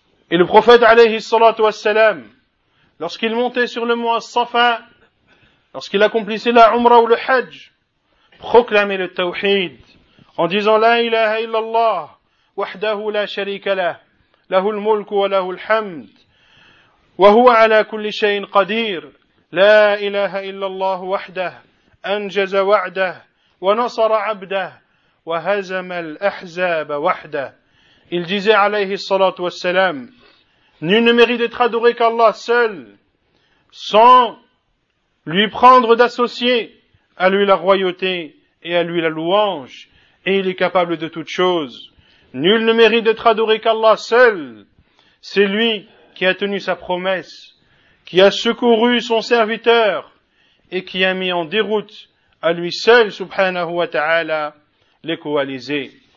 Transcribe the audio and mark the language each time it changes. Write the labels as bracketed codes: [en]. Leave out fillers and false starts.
[fr] Et le prophète alayhi salatu wassalam, lorsqu'il montait sur le mont As-Safa, lorsqu'il accomplissait la Umrah ou le Hajj, proclamait le Tawhid en disant [ar] La ilaha illallah, wahdahu la sharika lah, lahul mulku wa lahul hamd, wa huwa ala kulli shay'in qadir. لا إله إلا الله وحده أنجز وعده ونصر عبده وهزم الأحزاب وحده. [fr] Il disait [ar] عليه الصلاة والسلام, [fr] nul ne mérite d'être adoré qu'Allah seul, sans lui prendre d'associer à lui la royauté et à lui la louange, et il est capable de toutes choses. Nul ne mérite d'être adoré qu'Allah seul, c'est lui qui a tenu sa promesse, qui a secouru son serviteur et qui a mis en déroute à lui seul, subhanahu wa ta'ala, les coalisés.